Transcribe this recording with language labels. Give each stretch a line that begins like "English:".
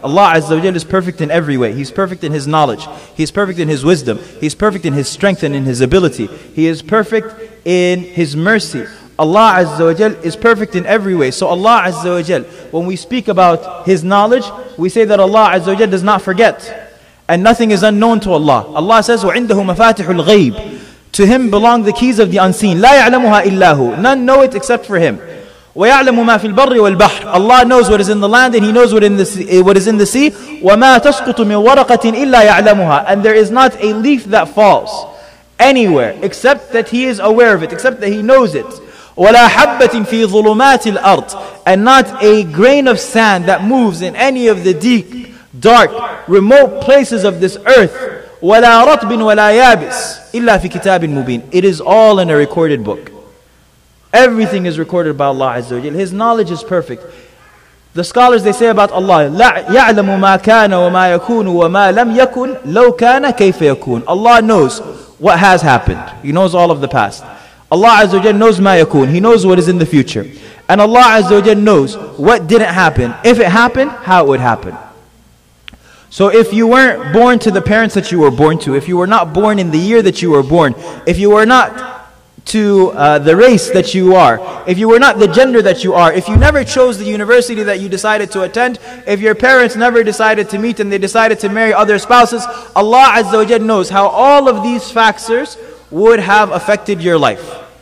English: Allah Azza wa Jalla is perfect in every way. He's perfect in His knowledge. He's perfect in His wisdom. He's perfect in His strength and in His ability. He is perfect in His mercy. Allah Azza wa Jalla is perfect in every way. So Allah Azza wa Jalla, when we speak about His knowledge, we say that Allah Azza wa Jalla does not forget. And nothing is unknown to Allah. Allah says,
Arabic: وَعِنْدَهُ مَفَاتِحُ الْغَيْبِ.
English: To Him belong the keys of the unseen.
Arabic: لَا يَعْلَمُهَا إِلَّهُ.
English: None know it except for Him.
Arabic: وَيَعْلَمُ مَا فِي الْبَرِّ وَالْبَحْرِ.
English: Allah knows what is in the land and He knows what is in the sea.
Arabic: وَمَا تَسْقُطُ مِنْ وَرَقَةٍ إِلَّا يَعْلَمُهَا.
English: And there is not a leaf that falls anywhere except that He is aware of it, except that He knows it.
Arabic: وَلَا حَبَّةٍ فِي ظُلُمَاتِ الْأَرْضِ.
English: And not a grain of sand that moves in any of the deep, dark, remote places of this earth.
Arabic: وَلَا رَطْبٍ وَلَا يَابِسٍ إِلَّا فِي كِتَابٍ مُبِينٍ.
English: It is all in a recorded book. Everything is recorded by Allah Azza wa Jalla. His knowledge is perfect. The scholars, they say about Allah,
Arabic: لَا يَعْلَمُ مَا كَانَ وَمَا يَكُونُ وَمَا لَمْ يَكُنْ لَوْ كَانَ كَيْفَ يَكُونَ.
English: Allah knows what has happened. He knows all of the past. Allah Azza wa Jalla knows
Arabic: مَا يَكُونَ.
English: He knows what is in the future. And Allah Azza wa Jalla knows what didn't happen. If it happened, how it would happen. So if you weren't born to the parents that you were born to, if you were not born in the year that you were born, if you were not to the race that you are, if you were not the gender that you are, if you never chose the university that you decided to attend, if your parents never decided to meet and they decided to marry other spouses, Allah Azza wa Jalla knows how all of these factors would have affected your life.